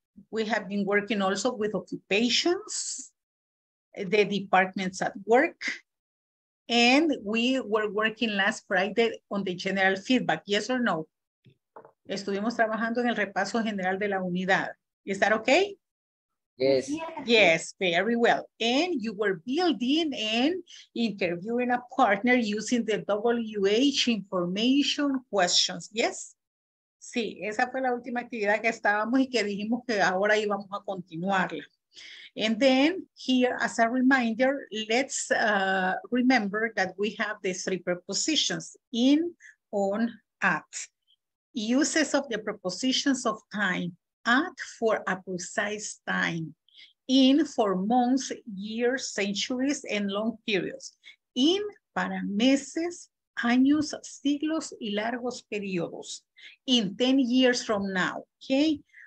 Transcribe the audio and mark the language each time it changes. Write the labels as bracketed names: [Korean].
[English] We have been working also with occupations, the departments at work, and we were working last Friday on the general feedback. Yes or no? [Spanish] Estuvimos trabajando en el repaso general de la unidad. [English] Is that okay? Yes. Yes, very well. And you were building and interviewing a partner using the WH information questions. Yes? [Spanish] Sí, esa fue la última actividad que estábamos y que dijimos que ahora íbamos a continuarla. [English] And then here, as a reminder, let's remember that we have the three prepositions, in, on, at. Uses of the prepositions of time, at for a precise time, in for months, years, centuries, and long periods, in [Spanish] para meses, años, siglos, y largos periodos, [English] in 10 years from now, okay?